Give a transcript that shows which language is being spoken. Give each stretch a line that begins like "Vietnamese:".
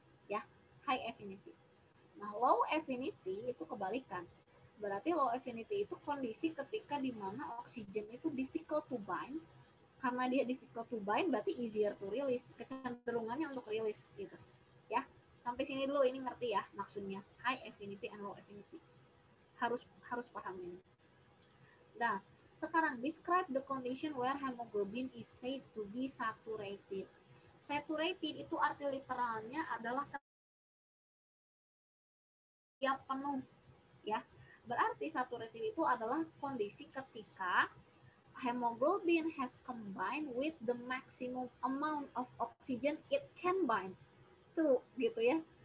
Indonesian: Ya, high affinity. Nah, low affinity itu kebalikan. Berarti low affinity itu kondisi ketika di mana oksigen itu
English: difficult to bind.
Indonesian: Karena dia
English: difficult to bind,
Indonesian: berarti
English: easier to release.
Indonesian: Kecenderungannya untuk release gitu. Ya, sampai sini dulu ini ngerti ya maksudnya.
English: High affinity and low affinity.
Indonesian: Harus paham ini. Nah, sekarang
English: describe the condition where hemoglobin is said to be saturated.
Indonesian: Saturated itu arti literalnya adalah ya penuh, ya. Berarti saturated itu adalah kondisi ketika
English: hemoglobin has combined with the maximum amount of oxygen it can bind to,
Indonesian: gitu ya.